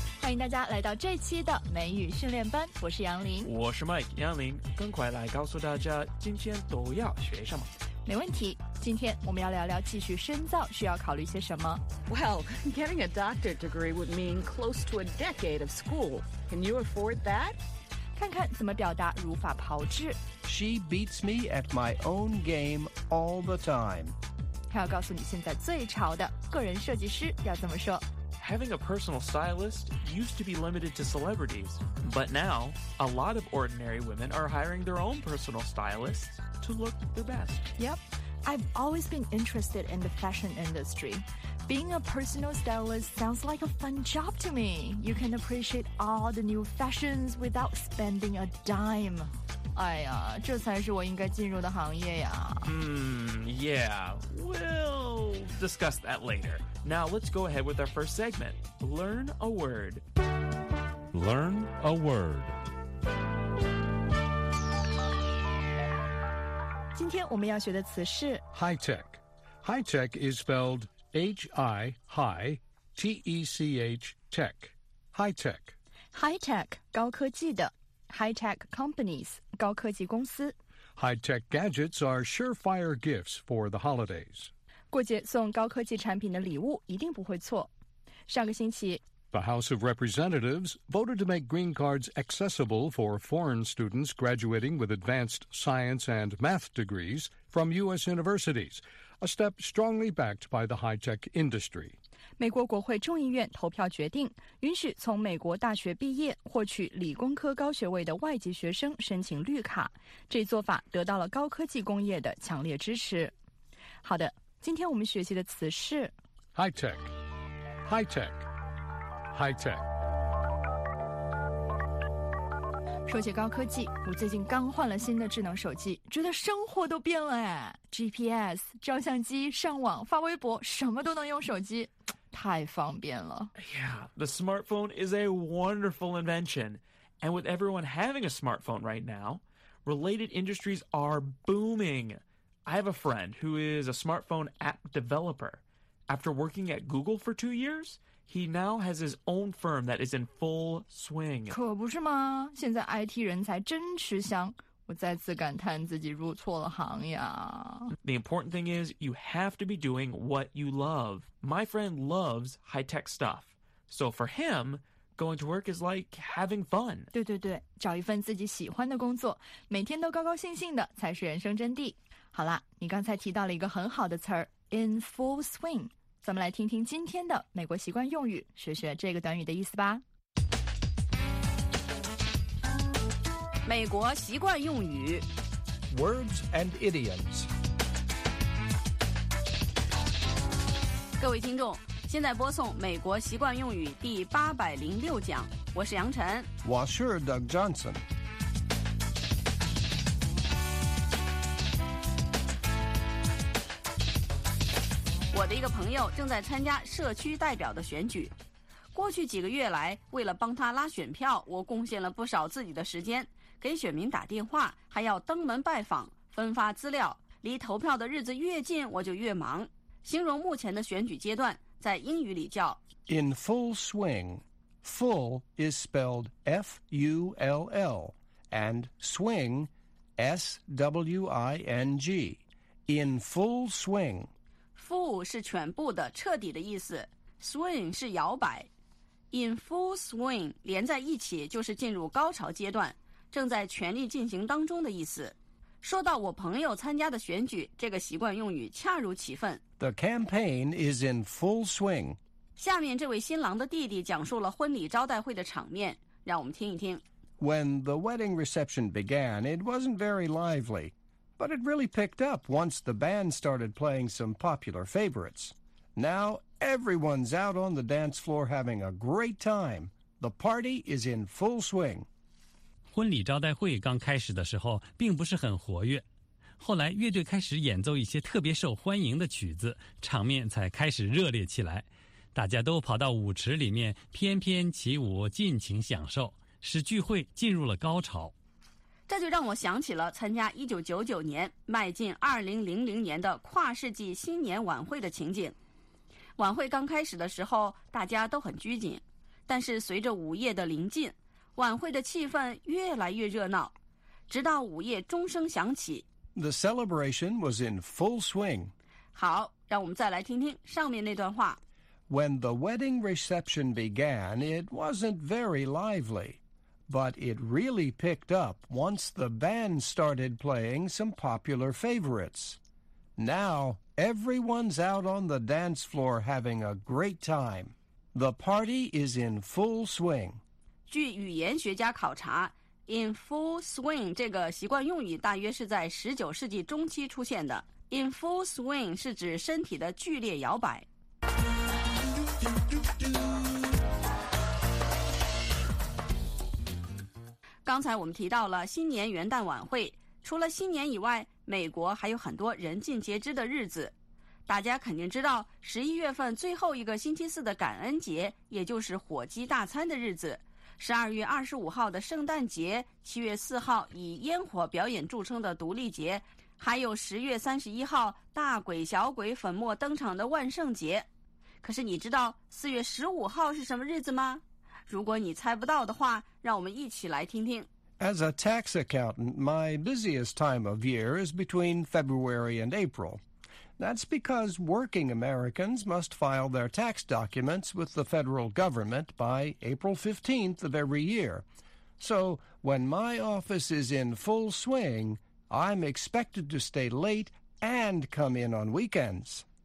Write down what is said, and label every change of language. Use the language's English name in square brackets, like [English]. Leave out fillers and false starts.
[Chinese] 迎大家来到这期的美语训练班，我是杨林，我是 Mike 杨林，更快来告诉大家今天都要学什么。没问题，今天我们要聊聊继续深造需要考虑些什么。 [English] Well, getting a doctorate degree would mean close to a decade of school. Can you afford that? [Chinese] 看看怎么表达如法炮制。 [English] She beats me at my own game all the time. [Chinese] 还要告诉你现在最潮的个人设计师要怎么说。 [English] Having a personal stylist used to be limited to celebrities, but now, a lot of ordinary women are hiring their own personal stylists to look their best. Yep, I've always been interested in the fashion industry. Being a personal stylist sounds like a fun job to me. You can appreciate all the new fashions without spending a dime. [Chinese] 哎呀，这才是我应该进入的行业呀。 [English] Yeah, we'll discuss that later. Now let's go ahead with our first segment. Learn a word. Learn a word. [Chinese] 今天我们要学的词是 [English] high-tech. High-tech is spelled H-I-H-T-E-C-H, tech. High-tech. High-tech, [Chinese] 高科技的。 [English] High-tech companies, [Chinese] 高科技公司。 [English] High-tech gadgets are surefire gifts for the holidays. [Chinese] 过节送高科技产品的礼物一定不会错。上个星期 [English] The House of Representatives voted to make green cards accessible for foreign students graduating with advanced science and math degrees from U.S. universities, a step strongly backed by the high-tech industry. [Chinese] 美国国会众议院投票决定允许从美国大学毕业获取理工科高学位的外籍学生申请绿卡，这做法得到了高科技工业的强烈支持。好的，今天我们学习的词是 [English] high tech, high tech, high tech。 [Chinese] 说起高科技，我最近刚换了新的智能手机，觉得生活都变了哎 ！GPS、照相机、上网、发微博，什么都能用手机。太方便了。 [English] Yeah, the smartphone is a wonderful invention. And with everyone having a smartphone right now, related industries are booming. I have a friend who is a smartphone app developer. After working at Google for 2 years, he now has his own firm that is in full swing. [Chinese] 可不是吗？现在 IT 人才真吃香。我再次感叹自己入错了行呀。 [English] The important thing is you have to be doing what you love. My friend loves high-tech stuff. So for him, going to work is like having fun. [Chinese] 对对对，找一份自己喜欢的工作，每天都高高兴兴的才是人生真谛。好啦，你刚才提到了一个很好的词儿 [English] in full swing. [Chinese] 咱们来听听今天的美国习惯用语，学学这个短语的意思吧。美国习惯用语 [English] Words and idioms [Chinese] 各位听众现在播送美国习惯用语第806讲我是杨晨 [English] Washer Doug Johnson [Chinese] 我的一个朋友正在参加社区代表的选举过去几个月来为了帮他拉选票我贡献了不少自己的时间给选民打电话还要登门拜访分发资料离投票的日子越近我就越忙形容目前的选举阶段在英语里叫 [English] In full swing Full is spelled F-U-L-L And swing S-W-I-N-G In full swing [Chinese] Full 是全部的彻底的意思 Swing 是摇摆 [English] In full swing [Chinese] 连在一起就是进入高潮阶段正在全力进行当中的意思。说到我朋友参加的选举，这个习惯用语恰如其分。 [English] The campaign is in full swing. [Chinese] 下面这位新郎的弟弟讲述了婚礼招待会的场面，让我们听一听。 [English] When the wedding reception began, it wasn't very lively, but it really picked up once the band started playing some popular favorites. Now everyone's out on the dance floor having a great time. The party is in full swing. [Chinese] 婚礼招待会刚开始的时候并不是很活跃后来乐队开始演奏一些特别受欢迎的曲子场面才开始热烈起来大家都跑到舞池里面翩翩起舞尽情享受使聚会进入了高潮这就让我想起了参加1999年迈进2000年的跨世纪新年晚会的情景晚会刚开始的时候大家都很拘谨但是随着午夜的临近，晚会的气氛越来越热闹，直到午夜钟声响起。 [English] The celebration was in full swing. [Chinese] 好，让我们再来听听上面那段话。 [English] When the wedding reception began, it wasn't very lively, but it really picked up once the band started playing some popular favorites. Now, everyone's out on the dance floor having a great time. The party is in full swing. [Chinese] 据语言学家考察， [English] in full swing [Chinese] 这个习惯用语大约是在19世纪中期出现的。 [English] In full swing [Chinese] 是指身体的剧烈摇摆。刚才我们提到了新年元旦晚会，除了新年以外，美国还有很多人尽皆知的日子。大家肯定知道十一月份最后一个星期四的感恩节，也就是火鸡大餐的日子，十二月二十五号的圣诞节，七月四号以烟火表演著称的独立节，还有十月三十一号大鬼小鬼粉墨登场的万圣节。可是你知道四月十五号是什么日子吗？如果你猜不到的话，让我们一起来听听。 [English] As a tax accountant, my busiest time of year is between February and April. That's because working Americans must file their tax documents with the federal government by April 15th of every year. So when my office is in full swing, I'm expected to stay late and come in on weekends.